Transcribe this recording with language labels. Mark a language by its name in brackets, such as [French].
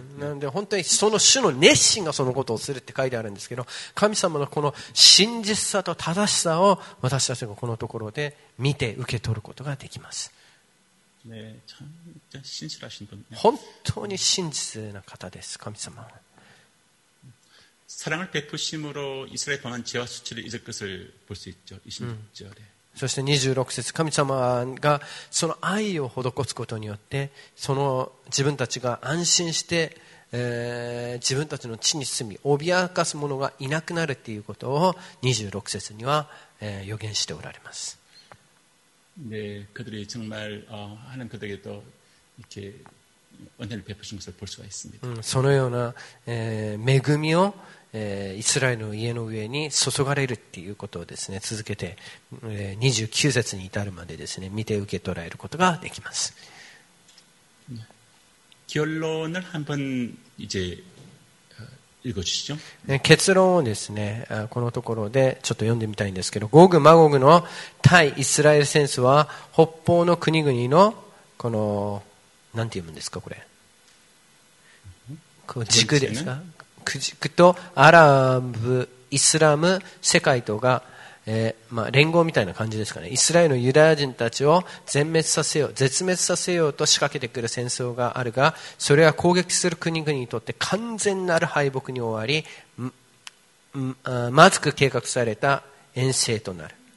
[Japanese] なので本当にその主の熱心がそのことをするって書いてあるんですけど、神様のこの真実さと正しさを私たちがこのところで見て受け取ることができます。 [Korean] ね、참신실하신분。 [Japanese] 本当に真実な方です、神様。 [Korean] 사랑을베푸심으로이스라엘범한죄와수치를잊을것을볼수있죠이십절에。 [Japanese] そして26節、神様がその愛を施すことによって、その自分たちが安心して、自分たちの地に住み脅かす者がいなくなるということを26節には、予言しておられます。 [Korean] 네、그들이정말하나님그들에게또이렇게언약을베푸신것을볼수가있습니다。 [Japanese] そのような、恵みをイスラエルの家の上に注がれるということをですね、続けて29節に至るまでですね、見て受け取られることができます。 [Korean] 결론을한번이제읽어주시죠。 [Japanese] 結論をですね、このところでちょっと読んでみたいんですけど、ゴグマゴグの対イスラエル戦争は北方の国々のこのなんて読むんですか、これ、こう軸ですか、クジクとアラブ、イスラム、世界とが、まあ、連合みたいな感じですかね。イスラエルのユダヤ人たちを全滅させよう、絶滅させようと仕掛けてくる戦争があるが、それは攻撃する国々にとって完全なる敗北に終わり、まずく計画された遠征となる。